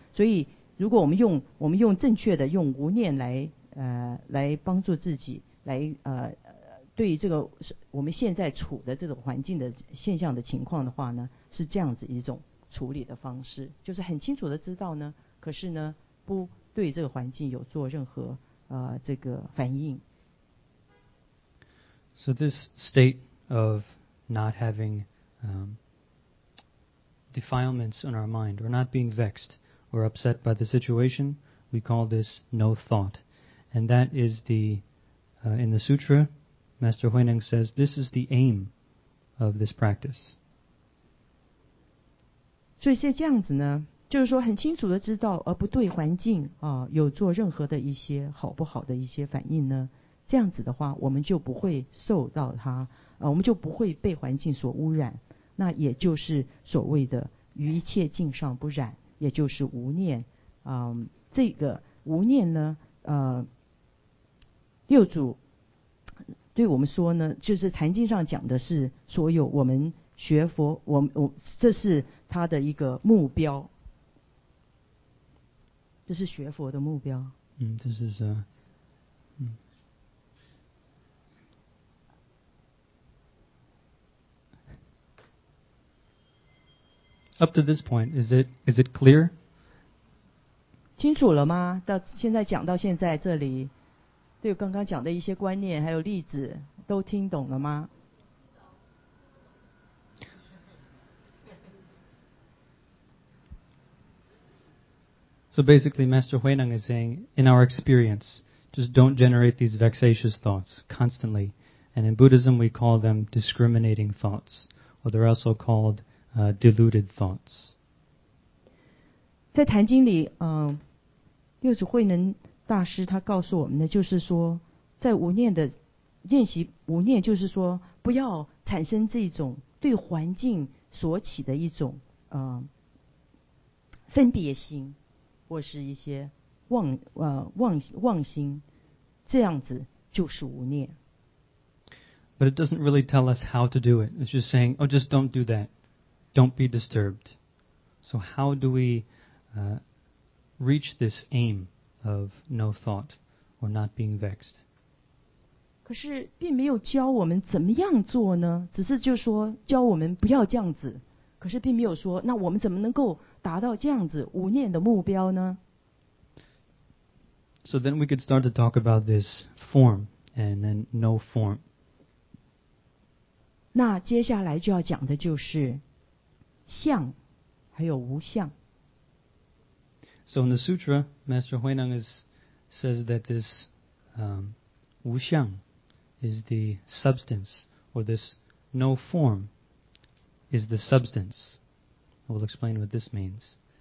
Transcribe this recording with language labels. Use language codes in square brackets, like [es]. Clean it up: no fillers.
[zh] 所以如果我们用正确的用无念来帮助自己来对于这个我们现在处的这种环境的现象的情况的话呢，是这样子一种处理的方式，就是很清楚的知道呢，可是呢不对这个环境有做任何这个反应。 [en] So this state of not having defilements in our mind, or not being vexed or upset by the situation, we call this no thought. And that is the, in the sutra,Master Huineng says, this is the aim of this practice. [zh] 所以是这样子呢，就是说很清楚的知道，而不对环境啊有做任何的一些好不好的一些反应呢，这样子的话，我们就不会受到它，我们就不会被环境所污染，那也就是所谓的于一切境上不染，也就是无念。这个无念呢，六祖对我们说呢，就是禅经上讲的是所有我们学佛，我这是他的一个目标这是学佛的目标。 [en] This is a up to this point, is it clear? [zh] 清楚了吗？到现在讲到现在这里，对刚刚讲的一些观念还有例子，都听懂了吗？ [en] So basically, Master Huineng is saying, in our experience, just don't generate these vexatious thoughts constantly. And in Buddhism, we call them discriminating thoughts, or they're also called deluded thoughts. [zh] 在坛经里，六祖慧能大师他告诉我们的就是说，在无念的练习，无念就是说，不要产生这种对环境所起的一种分别心。或是一些妄心，这样子就是无念。 [en] But it doesn't really tell us how to do it. It's just saying, oh, just don't do that. Don't be disturbed. So how do we reach this aim of no thought or not being vexed? [zh] 可是并没有教我们怎么样做呢？只是就说教我们不要这样子。可是并没有说，那我们怎么能够达到这样子无念的目标呢？ [en] So then we could start to talk about this form and then no form. [zh] 那接下来就要讲的就是相还有无相。 [en] So in the sutra, Master Huineng says that this 无相 is the substance, or this no form. Is the substance. We'll explain what this means.